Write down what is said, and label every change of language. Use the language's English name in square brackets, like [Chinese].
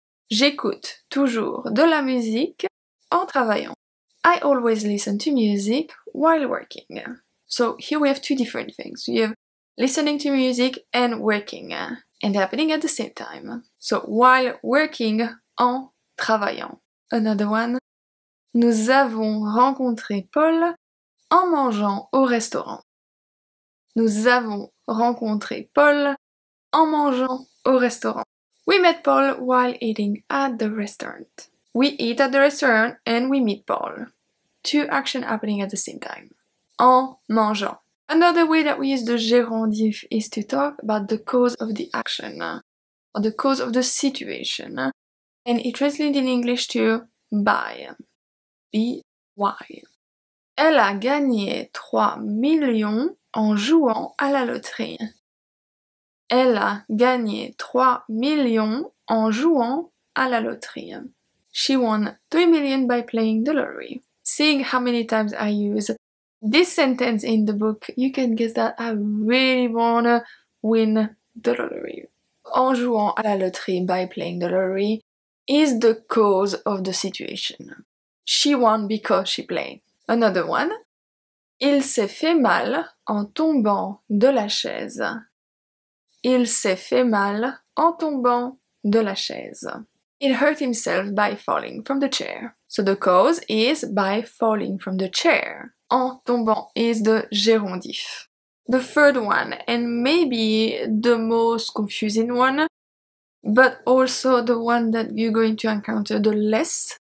[French] J'écoute toujours de la musique en travaillant. [English] I always listen to music while working. So here we have two different things. We have listening to music and working, and happening at the same time. So while working, [French] en travaillant. [English] Another one. [French] Nous avons rencontré Paul en mangeant au restaurant. Nous avons rencontré Paul en mangeant au restaurant. [English] We met Paul while eating at the restaurant. We eat at the restaurant and we meet Paul. Two actions happening at the same time. [French] En mangeant. [English] Another way that we use the gérondif is to talk about the cause of the action. Or the cause of the situation. And it translates in English to buy. B-Y. [French] Elle a gagné 3 millions en jouant à la loterie. Elle a gagné 3 millions en jouant à la loterie. [English] She won 3 million by playing the lottery. Seeing how many times I use this sentence in the book, you can guess that I really wanna win the lottery. [French] En jouant à la loterie [English] by playing the lottery is the cause of the situation. She won because she played. Another one. [French] Il s'est fait mal en tombant de la chaise. Il s'est fait mal en tombant de la chaise. [English] It hurt himself by falling from the chair. So the cause is by falling from the chair. [French] En tombant [English] is the gérondif. The third one, and maybe the most confusing one, but also the one that you're going to encounter the less.